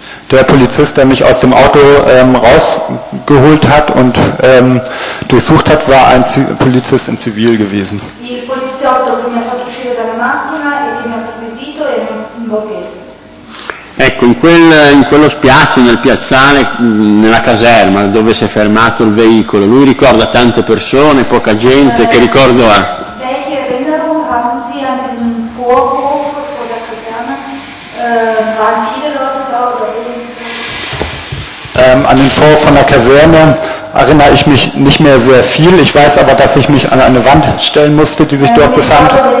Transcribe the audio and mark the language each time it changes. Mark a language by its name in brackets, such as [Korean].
[German] Der Polizist, der mich aus dem Auto rausgeholt hat und durchsucht hat, war ein Polizist in Zivil gewesen. [Italian] Il poliziotto che mi ha fatto uscire dalla macchina e che mi ha perquisito era in borghese. Ecco, in quello spiazzo, nel piazzale, nella caserma dove si è fermato il veicolo, lui ricorda tante persone, poca gente, che ricordo ha? [German] An den Vorhof von der Kaserne erinnere ich mich nicht mehr sehr viel. Ich weiß aber, dass ich mich an eine Wand stellen musste, die sich dort befand.